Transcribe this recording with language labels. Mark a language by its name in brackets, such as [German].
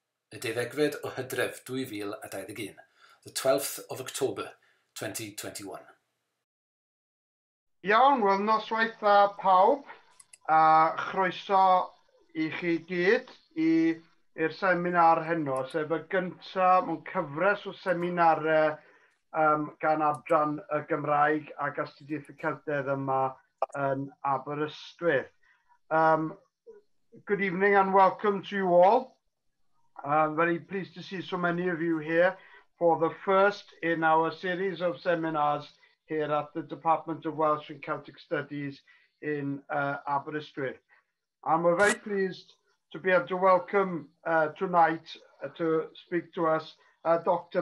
[Welsh] Y deddegfed o Hydref 2021, [English] the 12th of October 2021. [Welsh] Iawn, wel noswaith a pawb. Chroeso I chi gyd i'r seminar heno, sef y gyntaf mewn cyfres o seminarau gan Adran y Gymraeg ac Astudiaethau Celtaidd yma yn Aberystwyth. [English] Good evening and welcome to you all. I'm very pleased to see so many of you here for the first in our series of seminars here at the Department of Welsh and Celtic Studies in Aberystwyth. And we're very pleased to be able to welcome tonight to speak to us Dr.